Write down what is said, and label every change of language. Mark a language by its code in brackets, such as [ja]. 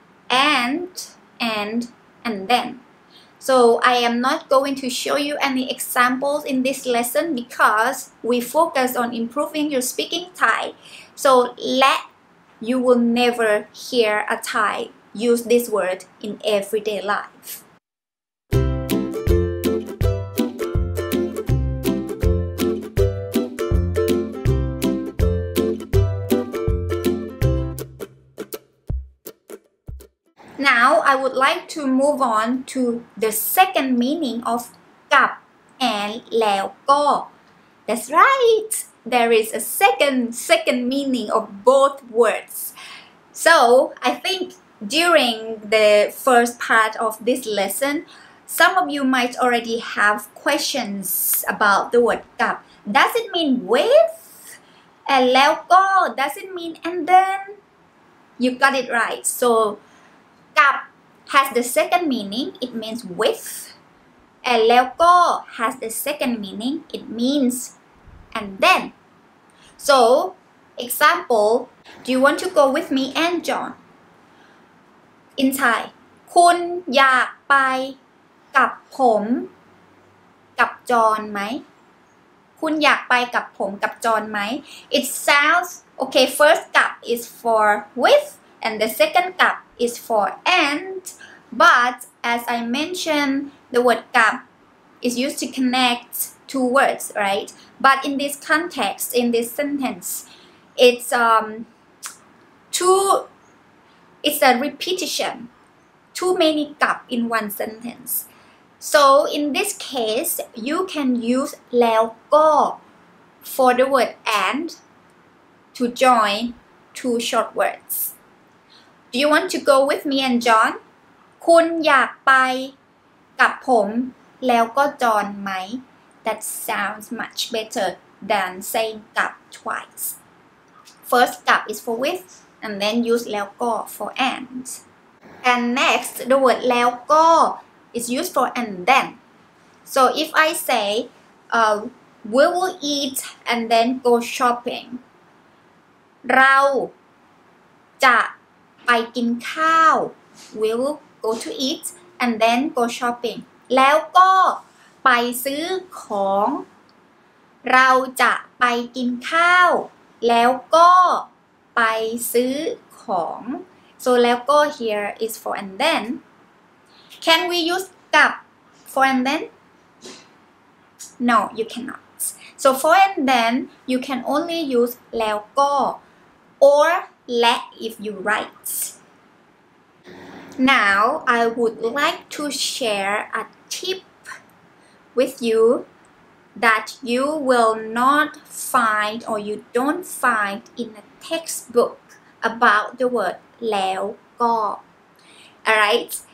[en] and then so I am not going to show you any examples in this lesson because we focus on improving your speaking Thai so let you will never hear a Thai use this word in everyday lifeNow, I would like to move on to the second meaning of กับ and แล้วก็ That's right! There is a second meaning of both words. So, I think during the first part of this lesson, some of you might already have questions about the word กับ Does it mean with? And แล้วก็ Does it mean and then? You got it right. So,Gap has the second meaning, it means with. And แล้วก็ has the second meaning, it means and then. So, example, do you want to go with me and John? In Thai, [th] คุณอยากไปกับผมกับจอห์นไหม? คุณอยากไปกับผมกับจอห์นไหม? [en] It sounds, okay, first gap is for with. And the second gap is for and, but as I mentioned, the word gap is used to connect two words, right? But in this context, in this sentence, it's a repetition, too many gap in one sentence. So in this case, you can use แล้วก็ for the word and to join two short words. Do you want to go with me and John? [th] คุณอยากไปกับผมแล้วก็จอห์นไหม? [en] That sounds much better than saying กับ twice. First กับ is for with and then use แล้วก็ for and. And next, the word แล้วก็ is used for and then. So if I say, we will eat and then go shopping. [th] เราจะไปกินข้าว [en] we'll go to eat and then go shopping [th] แล้วก็ไปซื้อของ เราจะไปกินข้าวแล้วก็ไปซื้อของ [en] so แล้วก็ here is for and then can we use กับ for and then no you cannot so for and then you can only use แล้วก็ orLet if you write. Now, I would like to share a tip with you that you will not find or you don't find in a textbook about the word แล้วก็. All right?